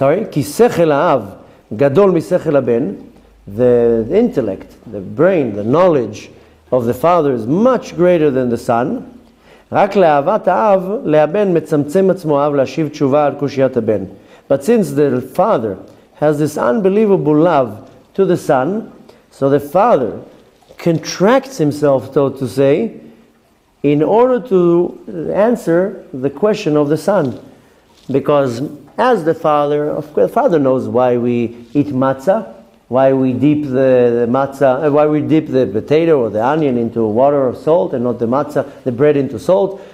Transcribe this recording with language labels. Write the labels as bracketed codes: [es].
[he] כי שכל האב גדול משכל הבן, [en] the intellect, the brain, the knowledge of the father is much greater than the son. [he] רק לאהבת האב, להבן מצמצם עצמו האב להשיב תשובה על קושיית הבן. [en] But since the father has this unbelievable love to the son, so the father contracts himself, so to say, in order to answer the question of the son. Because as the father, of course, the father knows why we eat matzah, why we dip the matzah, why we dip the potato or the onion into water or salt and not the matzah, the bread into salt.